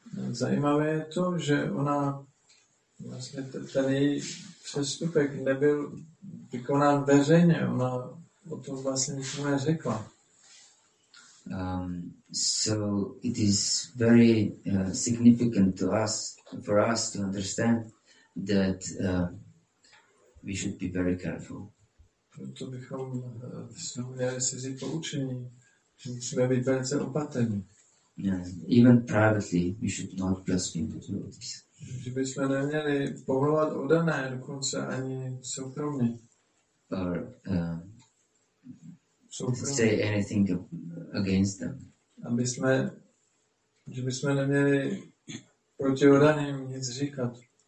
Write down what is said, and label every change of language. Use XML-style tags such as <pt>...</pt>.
<cs>Zajímavé je to, že ona vlastně ten její přestupek nebyl vykonán veřejně. Ona o tom vlastně nic neřekla.</cs> <en>So it is very significant to us, for us to understand that we should be very careful.</en> <cs>Proto bychom měli si vzít poučení, že musíme být velice opatrní.</cs> <en>Yes. Even privately, we should not blaspheme the devotees.</en> <cs>Že bychom neměli povolovat oddané, dokonce ani soukromě.</cs> <en>Or say anything against them.</en> <cs>Že bychom neměli proti oddaným nic říkat.</cs>